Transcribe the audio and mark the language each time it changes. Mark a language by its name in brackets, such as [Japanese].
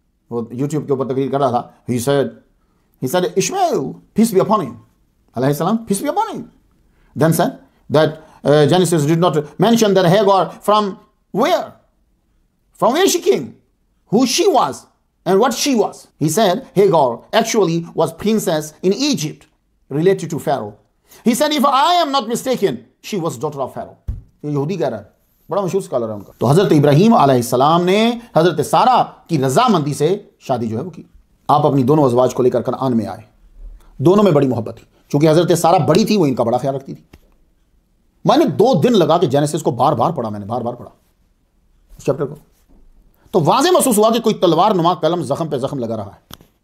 [Urdu] وہ یوٹیوب کے اوپر تقریر کر رہا تھا، [English] He said Ishmael peace be upon him, علیہ السلام peace be upon him, then seen that Genesis did not mention that Hagar from where, from where she came, who she was, and what she was. He said Hagar actually was princess in Egypt related to Pharaoh. He said if I am not mistaken, she was daughter of Pharaoh. [Urdu] یہ یہودی کہہ رہا ہے، بڑا مشہور scholar ہے ان کا۔ تو حضرت ابراہیم علیہ السلام نے حضرت سارا کی رضا مندی سے شادی جو ہے وہ کی۔ آپ اپنی دونوں ازواج کو لے کر کنعان میں آئے، دونوں میں بڑی محبت تھی، چونکہ حضرت سارا بڑی تھی، وہ ان کا بڑا خیال رکھتی تھی۔ میں نے 2 دن لگا کے جینیسس کو بار بار پڑھا، میں نے بار بار پڑھا اس چیپٹر کو، تو واضح محسوس ہوا کہ کوئی تلوار نما قلم زخم پہ زخم لگا رہا ہے۔